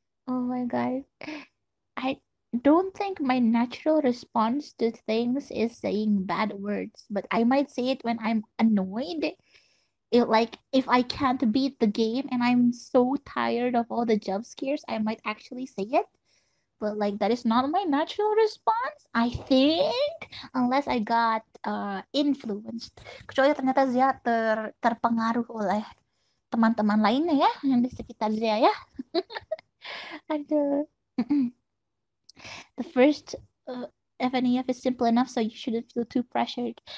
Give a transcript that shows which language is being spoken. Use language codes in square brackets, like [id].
[en] Oh my god, I don't think my natural response to things is saying bad words, but I might say it when I'm annoyed. It, like, if I can't beat the game and I'm so tired of all the jump scares, I might actually say it. But like, that is not my natural response, I think, unless I got influenced. [id] Kecuali ternyata Zia terpengaruh oleh teman-teman lainnya ya, yang di sekitar Zia ya. Aduh. [en] The first FNEF is simple enough, so you shouldn't feel too pressured.